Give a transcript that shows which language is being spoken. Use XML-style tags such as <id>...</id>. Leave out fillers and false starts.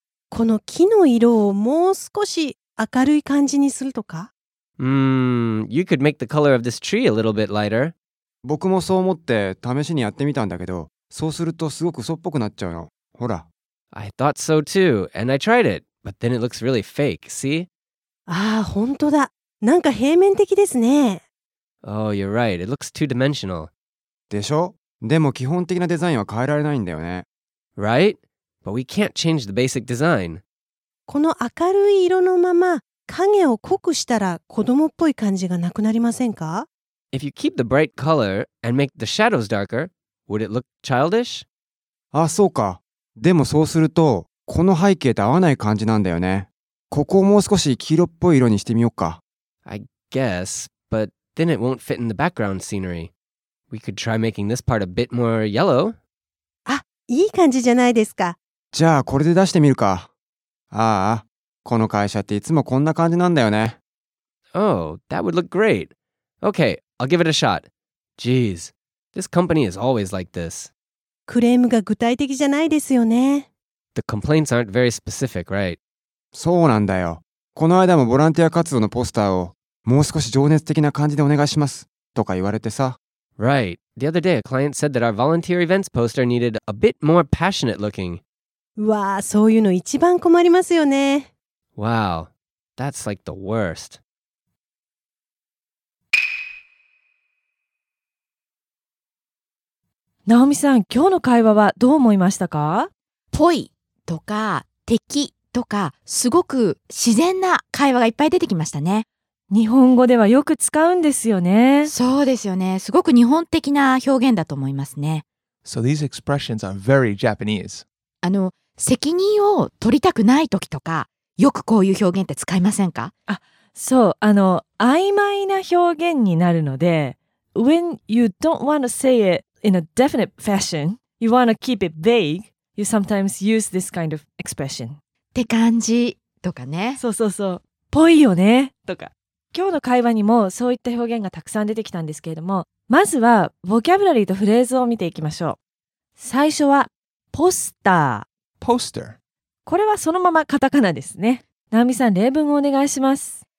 <ja>この木の色をもう少し明るい感じにするとか？</ja> <en>You could make the color of this tree a little bit lighter.</en> <ja>僕もそう思って試しにやってみたんだけど、そうするとすごく嘘っぽくなっちゃうの。ほら。</ja> <en>I thought so too, and I tried it, but then it looks really fake, see?</en> <ja>ああ、本当だ。なんか平面的ですね。</ja> <en>Oh, you're right. It looks two dimensional.</en> <ja>でしょ？でも基本的なデザインは変えられないんだよね。</ja> <en>Right? But we can't change the basic design.</en> <ja>この明るい色のまま影を濃くしたら子供っぽい感じがなくなりませんか？</ja> <en>If you keep the bright color and make the shadows darker, would it look childish?</en> <ja>あ、そうか。でもそうするとこの背景と合わない感じなんだよね。ここをもう少し黄色っぽい色にしてみようか。</ja> <en>I guess, but then it won't fit in the background scenery. We could try making this part a bit more yellow.</en> <ja>あ、いい感じじゃないですか。じゃあこれで出してみるか。ああ、この会社っていつもこんな感じなんだよね。</ja> <en>Oh, that would look great. Okay, I'll give it a shot. Jeez, this company is always like this.</en> <ja>クレームが具体的じゃないですよね。</ja> <en>The complaints aren't very specific, right?</en> <ja>そうなんだよ。この間もボランティア活動のポスターをもう少し情熱的な感じでお願いしますとか言われてさ。</ja> <en>Right. The other day, a client said that our volunteer events poster needed a bit more passionate looking.</en> <ja>Wow, そういうの一番困りますよね。</ja> <en>Wow, that's like the worst.</en> <ja>Naomi さん、今日の会話はどう思いましたか？ぽいとか、敵とか、すごく自然な会話がいっぱい出てきましたね。日本語ではよく使うんですよね。そうですよね。すごく日本的な表現だと思いますね。</ja> <en>So these expressions are very Japanese.</en> <ja>責任を取りたくない時とか、よくこういう表現って使いませんか？あ、そう、曖昧な表現になるので、</ja> <en>when you don't want to say it in a definite fashion, you want to keep it vague, you sometimes use this kind of expression.</en> <ja>って感じとかね。そうそうそう。ぽいよねとか。今日の会話にもそういった表現がたくさん出てきたんですけれども、まずはボキャブラリーとフレーズを見ていきましょう。最初はポスター。ポスター。これはそのままカタカナですね。ナオミさん、例文をお願いします。</ja>